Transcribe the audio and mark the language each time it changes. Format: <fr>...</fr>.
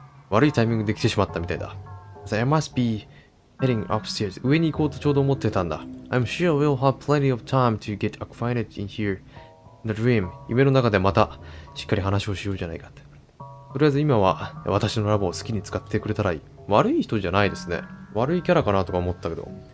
<ja>悪いタイミングで来てしまったみたいだ。</ja> <en>So、I must be heading upstairs.</en> <ja>上に行こうとちょうど思ってたんだ。</ja> <en>I'm sure we'll have plenty of time to get acquainted in here in the dream.</en> <ja>夢の中でまたしっかり話をしようじゃないかって。とりあえず今は私のラボを好きに使ってくれたらいい。悪い人じゃないですね。悪いキャラかなとか思ったけど。</ja>